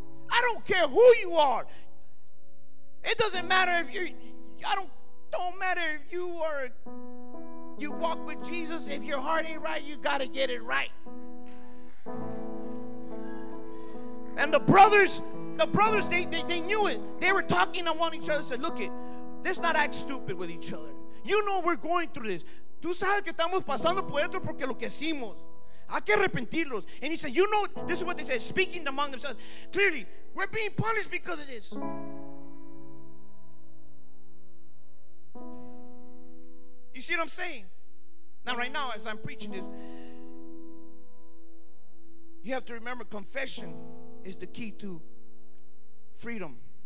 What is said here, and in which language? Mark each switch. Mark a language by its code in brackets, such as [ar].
[en] I don't care who you are. It doesn't matter if you, don't matter if you are, you walk with Jesus. If your heart ain't right, you got to get it right. And the brothers, they knew it. They were talking to one each other and said, look it, let's not act stupid with each other. You know we're going through this. [es] Tú sabes que estamos pasando por esto porque lo que hicimos. Hay que arrepentirlos. [en] And he said, you know, this is what they said, speaking among themselves. Clearly, we're being punished because of this. You see what I'm saying? Now, right now, as I'm preaching this, you have to remember, confession is the key to freedom.